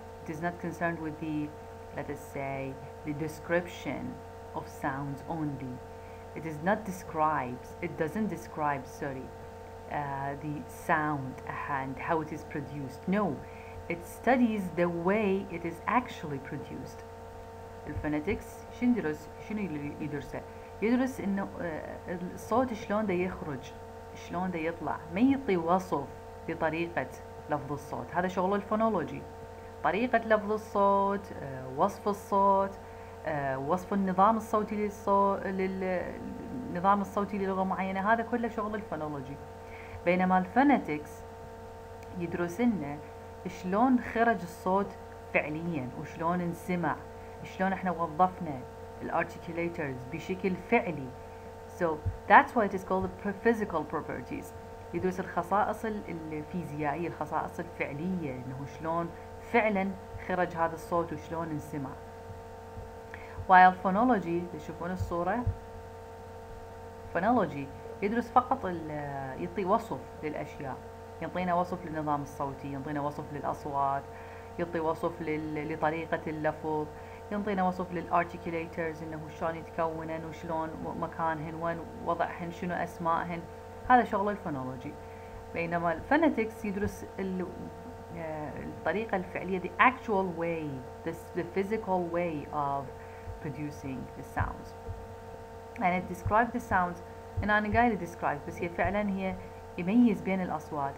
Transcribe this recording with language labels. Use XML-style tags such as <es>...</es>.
<en>It is not concerned with the, let us say, the description of sounds only. It is not describes, it doesn't describe, sorry, the sound and how it is produced. No, it studies the way it is actually produced.</en> <ar>الفونيتكس شندرس شنو يدرس يدرس انه الصوت شلون ده يخرج شلون ده يطلع ما يعطي وصف لطريقة لفظ الصوت. هذا شغله الفونولوجي. طريقة لفظ الصوت, وصف الصوت, وصف النظام الصوتي للنظام الصوتي للغة معينة, هذا كله شغل الفونولوجي. بينما الفونيتكس يدرس لنا شلون خرج الصوت فعليا وشلون نسمع, شلون احنا وظفنا الارتيكوليترز بشكل فعلي.</ar> <en>So that's why it is called the physical properties.</en> <ar>يدرس الخصائص الفيزيائية, الخصائص الفعلية, انه شلون فعلا خرج هذا الصوت وشلون نسمع. While phonology, تشوفون الصورة, phonology يدرس فقط, يعطي وصف للأشياء, يعطينا وصف للنظام الصوتي, يعطينا وصف للأصوات, يعطي وصف لطريقة اللفظ, يعطينا وصف للarticulators, إنه شلون يتكونن وشلون مكانهن وين وضعهن شنو أسمائهن, هذا شغل الفونولوجي. بينما الفونيتكس يدرس الطريقة الفعلية,</ar> <en>the actual way, the physical way of producing the sounds, and it describes the sounds in an guided describe,</en> <ar>بس هي فعلا هي يميز بين الأصوات.</ar>